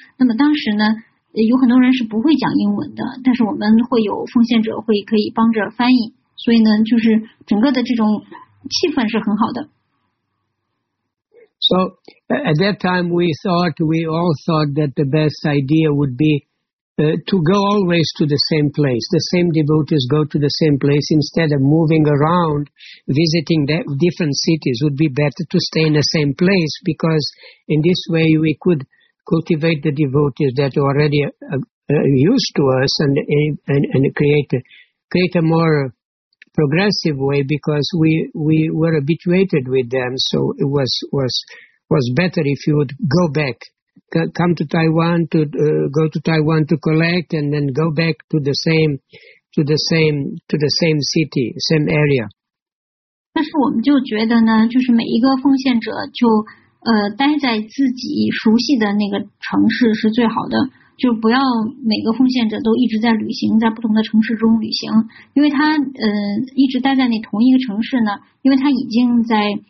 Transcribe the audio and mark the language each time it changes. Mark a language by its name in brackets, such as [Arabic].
[Chinese] 那么当时呢有很多人是不会讲英文的，但是我们会有奉献者会可以帮着翻译，所以呢就是整个的这种气氛是很好的。 [English] So at that time we thought that the best idea would be to go always to the same place. The same devotees go to the same place instead of moving around, visiting different cities. It would be better to stay in the same place, because in this way we could cultivate the devotees that are already used to us and create a more progressive way, because we were habituated with them. So it was better if you would go back. Come to Taiwan to go to Taiwan to collect, and then go back to the same, to the same, to the same city, same area. [Chinese] 但是我们就觉得呢，就是每一个奉献者就待在自己熟悉的那个城市是最好的，就不要每个奉献者都一直在旅行，在不同的城市中旅行，因为他一直待在那同一个城市呢，因为他已经在。